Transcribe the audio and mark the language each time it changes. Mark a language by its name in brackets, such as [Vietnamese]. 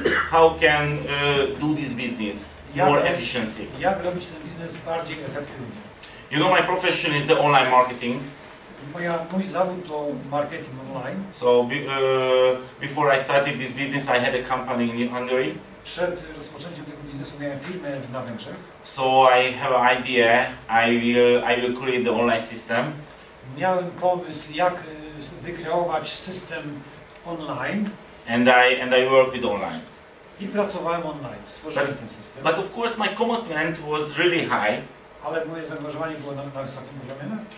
[English] How can do this business? More efficiency. [Polish] Jak robić ten biznes bardziej efektywnie? [English] You know, my profession is the online marketing. [Polish] Mój zawód to marketing online. [English] So before I started this business, I had a company in Hungary. [Polish] Przed rozpoczęciem tego biznesu miałem firmę na Węgrzech. [English] So I have an idea. I will create the online system. [Polish] Miałem pomysł, jak wykreować system online. [English] And I work with online. [Polish] I pracowałem online, stworzyłem ten system. [English] But of course my commitment was really high. [Polish] Ale moje zaangażowanie było na wysokim poziomie.